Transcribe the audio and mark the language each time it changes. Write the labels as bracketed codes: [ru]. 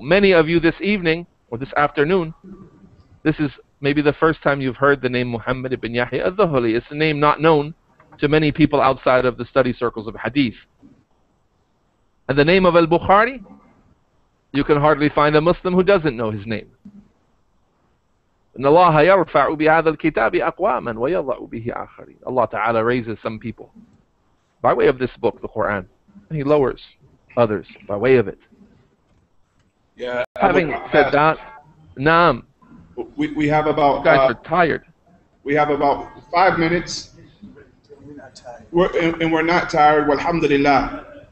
[en] Many of you this evening, or this afternoon, this is maybe the first time you've heard the name Muhammad ibn Yahya al-Dhuhri. It's a name not known to many people outside of the study circles of hadith. And the name of al-Bukhari, you can hardly find a Muslim who doesn't know his name. [ar] إن الله يرفع بهذا الكتاب أقواما ويضع به آخرين. [en] Allah Ta'ala raises some people by way of this book, the Quran. And he lowers others by way of it. Yeah, having said that, Naam. We have about... You guys are tired. We have about 5 minutes. We're not tired. Walhamdulillah.